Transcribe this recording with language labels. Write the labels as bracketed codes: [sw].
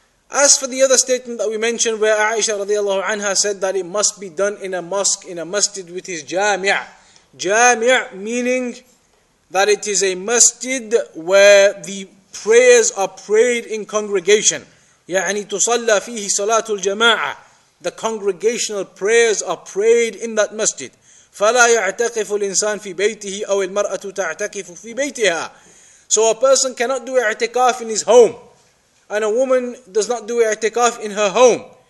[en] As for the other statement that we mentioned, where Aisha radiallahu anha said that it must be done in a mosque, in a masjid, with his jami'. Jami' meaning that it is a masjid where the prayers are prayed in congregation. [ar] يعني تصلى فيه صلاة الجماعة. [en] The congregational prayers are prayed in that masjid. [ar] فلا يعتكف الإنسان في بيته أو المرأة تعتكف في بيتها. [en] So a person cannot do i'tikaf in his home, and a woman does not do i'tikaf in her home.